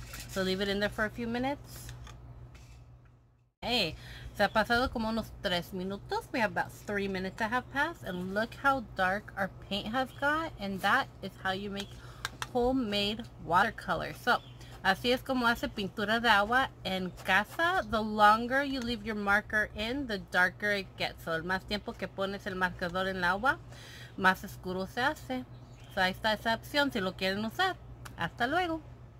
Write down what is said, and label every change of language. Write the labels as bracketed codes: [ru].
[en] So, leave it in there for a few minutes. Hey, [es] se ha pasado como unos 3 minutos. [en] We have about 3 minutes that have passed. And look how dark our paint has got. And that is how you make homemade watercolor. [es] So, así es como hace pintura de agua en casa. [en] The longer you leave your marker in, the darker it gets. [es] So, el más tiempo que pones el marcador en el agua, más oscuro se hace. So, ahí está esa opción, si lo quieren usar. Hasta luego.